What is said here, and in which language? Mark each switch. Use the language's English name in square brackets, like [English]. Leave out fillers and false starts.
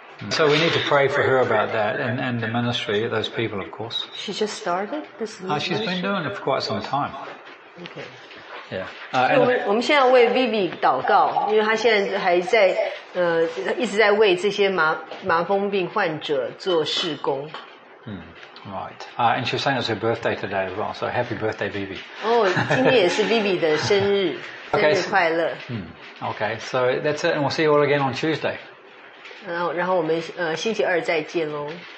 [English] So we need to pray for her about that and the ministry, those people, of course. She just started this ministry? She's been doing it for quite some time. Okay. Yeah. [Chinese] 我们现在为 Vivi 祷告，因为她现在还在一直在为这些麻风病患者做事工。 [English] Right. And she's saying it's her birthday today as well. So happy birthday, Vivi. [Chinese] 今天也是 Vivi 的生日，生日快乐。 [English] Okay. So that's it, and we'll see you all again on Tuesday. [Chinese] 然后我们星期二再见喽。